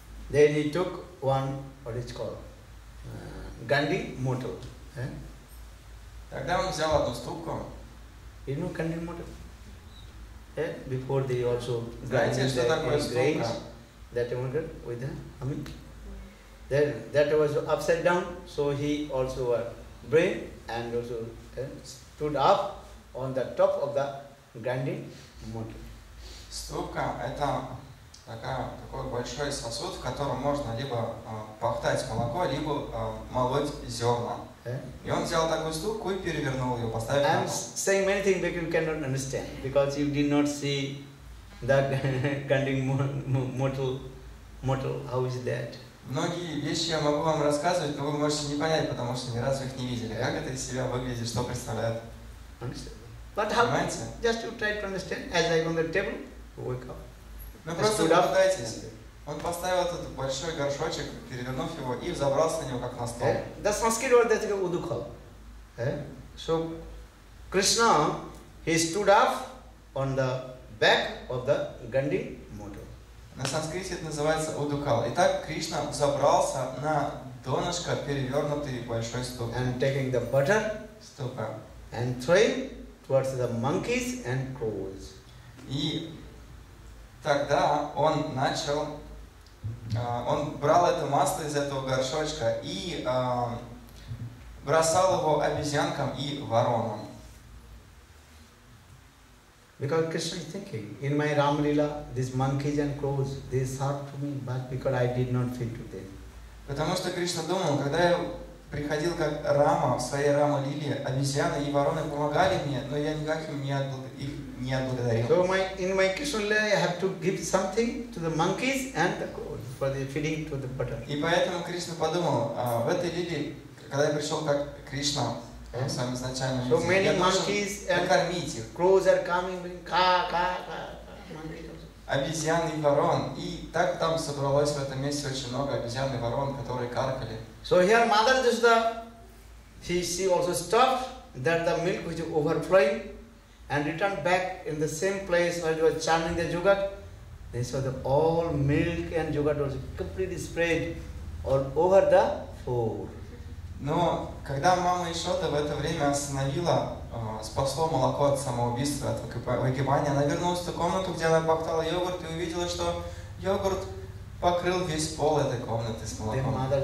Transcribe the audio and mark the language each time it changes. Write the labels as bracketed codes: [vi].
[en] Then he took one, what is called, Gandhi motor. [ru] Тогда он взял одну ступку. [en] You know Gandhi motor? Before they also grind the grains, that motor with the humming. Then that was upside down, so he also brain and also stood up on the top of the Gandhi motor. [ru] Ступка – это такой большой сосуд, в котором можно либо пахтать молоко, либо молоть зерна. И он взял такую ступку и перевернул ее, поставил на пол. [en] I'm saying many things, but you cannot understand, because you did not see the Gandhi motor, how is that? [ru] Многие вещи я могу вам рассказывать, но вы можете не понять, потому что ни разу их не видели. Как это из себя выглядит, что представляет? [en] But how? Just to try to understand, as I'm on the table. [ru] Ну просто попытайтесь. Он поставил этот большой горшочек, перевернув его, и взобрался на него как на стол. [en] The Sanskrit word that is udukhal. So Krishna, he stood up on the back of the Gandhi motor. [ru] На санскрите это называется удукал. Итак, Кришна взобрался на донышко перевернутой большой ступки. [en] And taking the butter. [ru] Ступа. [en] And throwing towards the monkeys and crows. [ru] И тогда он начал, он брал это масло из этого горшочка и бросал его обезьянкам и воронам. [en] Because Krishna is thinking, in my Ramlila, these monkeys and crows, they served to me, but because I did not fit to them. [ru] Потому что Кришна думал, когда я приходил как Рама в своей Рамалиле, обезьяны и вороны помогали мне, но я никак им не их не отблагодарил. [en] So my, in my Krishna Lila, I have to give something to the monkeys and the crows for the feeding to the butter. [ru] И поэтому Кришна подумал, в этой лиле, когда я пришел как Кришна, в самом изначальном виде, я должен накормить их. [en] Crows are coming, [ru] ka ka ka. обезьян и ворон. И так там собралось в этом месте очень много обезьян и ворон, которые каркали. [en] So here Mother Yashoda, she also stopped that the milk which overflowing and returned back in the same place where she was churning the yogurt. They saw the all milk and yogurt was completely spread all over the floor. [ru] Но когда мама Ишота в это время остановила, спасло молоко от самоубийства, от выгибания, она вернулась в ту комнату, где она поптала йогурт, и увидела, что йогурт покрыл весь пол этой комнаты с молоком.